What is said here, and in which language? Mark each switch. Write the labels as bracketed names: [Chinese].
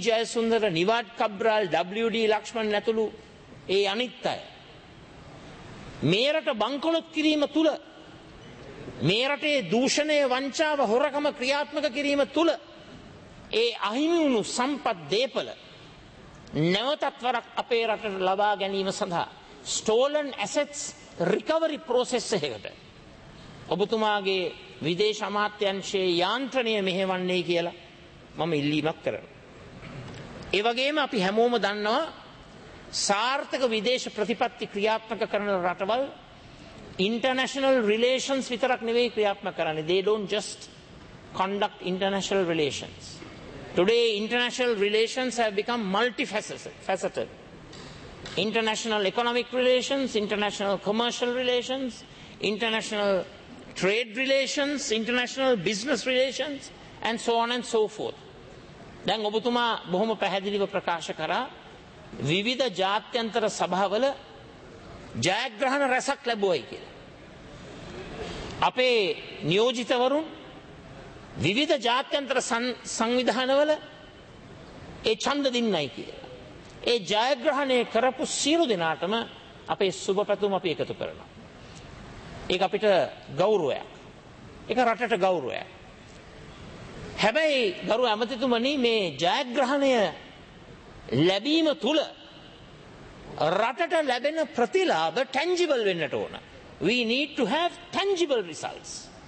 [Sinhala] ජයසුන්දර, නිවාඩ් කබ්‍රාල්, ඩබ්ලිව්.ඩී. ලක්ෂ්මන් ඇතුළු ඒ අනිත් අය මේ රට බංකොලොත් කිරීම තුල, මේ රටේ දූෂණය, වංචාව, හොරකම ක්‍රියාත්මක කිරීම තුල ඒ අහිමි වුණු සම්පත් දේපල නැවතත් වරක් අපේ රටට ලබා ගැනීම සඳහා ස්ටෝලන් ඇසෙට්ස් රිකවරි ප්‍රොසෙස් එකකට ඔබතුමාගේ විදේශ අමාත්‍යංශයේ යාන්ත්‍රණය මෙහෙවන්නේ කියලා මම ඉල්ලීමක් කරනවා. ඒ වගේම අපි හැමෝම දන්නවා සාර්ථක විදේශ ප්‍රතිපත්ති ක්‍රියාත්මක කරන රටවල් ඉන්ටර්නැෂනල් රිලේෂන්ස් විතරක් නෙවෙයි ක්‍රියාත්මක කරන්නේ. [English] They don't just conduct international relations. Today, international relations have become multifaceted. International economic relations, international commercial relations, international trade relations, international business relations, and so on and so forth. [Sinhala] දැන් ඔබතුමා බොහොම පැහැදිලිව ප්‍රකාශ කරා විවිධ ජාත්‍යන්තර සභාවල ජයග්‍රහණ රැසක් ලැබුවයි කියලා. අපේ නියෝජිතවරුන් විවිධ ජාත්‍යන්තර සංවිධානවල ඒ ඡන්ද දෙන්නයි කියලා. ඒ ජයග්‍රහණය කරපු සියලු දෙනාටම අපේ සුබ පැතුම් අපි එකතු කරනවා. ඒක අපිට ගෞරවයක්. ඒක රටට ගෞරවයක්. හැබැයි ගරු ඇමතිතුමනි, මේ ජයග්‍රහණය ලැබීම තුල රටට ලැබෙන ප්‍රතිලාභ tangible වෙන්නට ඕන. [English] We need to have tangible results.